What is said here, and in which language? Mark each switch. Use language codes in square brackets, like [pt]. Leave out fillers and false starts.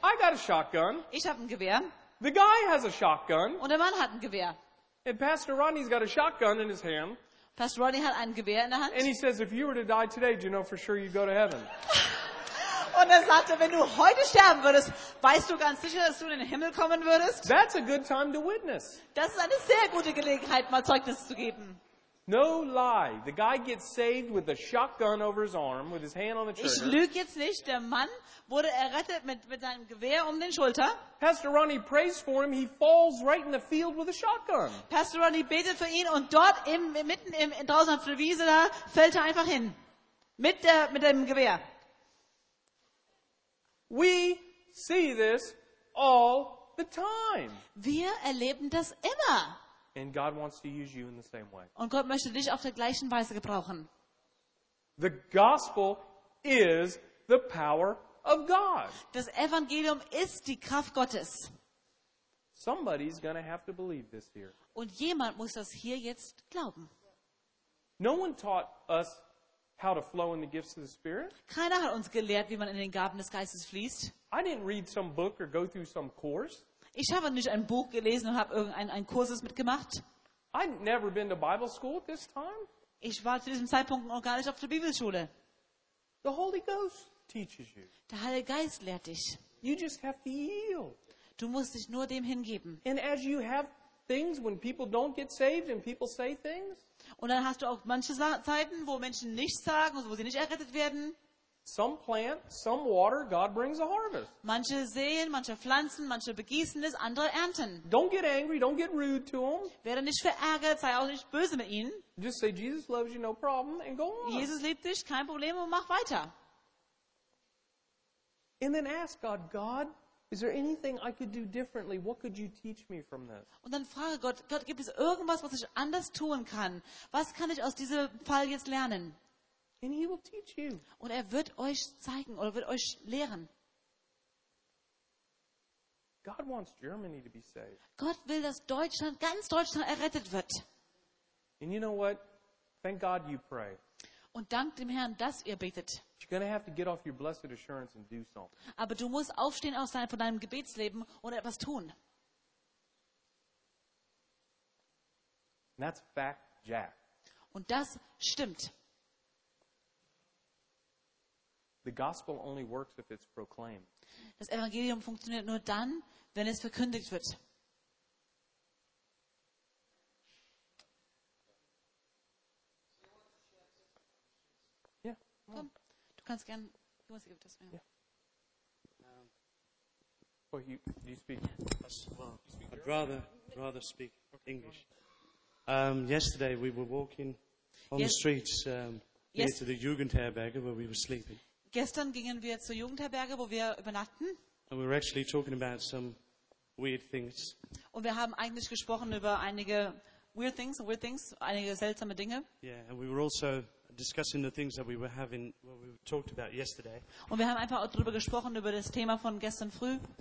[en] I got a shotgun. [de] Ich habe ein Gewehr. [en] The guy has a shotgun. [de] Und der Mann hat ein Gewehr. [en] And Pastor Rodney's got a shotgun in his hand. [de] Pastor Rodney hat ein Gewehr in der Hand. [en] And he says, if you were to die today, do you know for sure you'd go to heaven? [de] Und er sagte, wenn du heute sterben würdest, weißt du ganz sicher, dass du in den Himmel kommen würdest? [en] That's a good time to witness. [de] Das ist eine sehr gute Gelegenheit, mal Zeugnis zu geben. [en] No lie. The guy gets saved with a shotgun over his arm, with his hand on the trigger. [de] Ich lüge jetzt nicht. Der Mann wurde errettet mit seinem Gewehr um den Schulter. [en] Pastor Ronnie prays for him. He falls right in the field with a shotgun. [de] Pastor Ronnie betet für ihn und dort draußen auf der Wiese da fällt er einfach hin mit dem Gewehr. [en] We see this all the time. [de] Wir erleben das immer. [en] And God wants to use you in the same way. [de] Und Gott möchte dich auf der gleichen Weise gebrauchen. [en] The gospel is the power of God. [de] Das Evangelium ist die Kraft Gottes. [en] Somebody's going to have to believe this here. [de] Und jemand muss das hier jetzt glauben. [en] No one taught us how to flow in the gifts of the Spirit. [de] Keiner hat uns gelehrt, wie man in den Gaben des Geistes fließt. [en] I didn't read some book or go through some course. [de] Ich habe nicht ein Buch gelesen und habe irgendein Kurses mitgemacht. [en] I'd never been to Bible school at this time. [de] Ich war zu diesem Zeitpunkt noch gar nicht auf der Bibelschule. [en] The Holy Ghost teaches you. [de] Der Heilige Geist lehrt dich. [en] You just have to yield. [de] Du musst dich nur dem hingeben. [en] And as you have things when people don't get saved and people say things. [de] Und dann hast du auch manche Zeiten, wo Menschen nichts sagen, wo sie nicht errettet werden. [en] Some plant, some water, God brings a harvest. [de] Manche säen, manche pflanzen, manche begießen es, andere ernten. [en] Don't get angry, don't get rude to them. [de] Werde nicht verärgert, sei auch nicht böse mit ihnen. [en] Just say Jesus loves you, no problem, and go on. [de] Jesus liebt dich, kein Problem, und mach weiter. [en] And then ask God, God, is there anything I could do differently? What could you teach me from this? [de] Und dann frage Gott, Gott, gibt es irgendwas, was ich anders tun kann? Was kann ich aus diesem Fall jetzt lernen? [en] And he will teach you. [de] Und er wird euch zeigen oder wird euch lehren. [en] God wants Germany to be saved. [de] Gott will, dass Deutschland, ganz Deutschland errettet wird. [en] And you know what? Thank God you pray. [de] Und dank dem Herrn, dass ihr betet. [en] You're going to have to get off your blessed assurance and do something. [de] Aber du musst aufstehen aus deinem Gebetsleben und etwas tun. [en] And that's fact, Jack. [de] Und das stimmt. [en] The gospel only works if it's proclaimed. [de] Das Evangelium funktioniert nur dann, wenn es verkündigt wird. [en] Yeah, [de] komm, du kannst gern. Du musst dir das mehr. [en] Yeah. Oh, you speak. Well, I'd rather speak English. Yesterday we were walking on the streets near to the Jugendherberge where we were sleeping. [de] Gestern gingen wir zur Jugendherberge, wo wir übernachten. [en] And we were actually talking about some weird things. [de] Und wir haben eigentlich gesprochen über einige [en] weird things, [de] einige seltsame Dinge. [en] Yeah, and we were also discussing the things that we were having, what we talked about yesterday. [de] Und wir haben einfach auch darüber gesprochen über das Thema von gestern früh.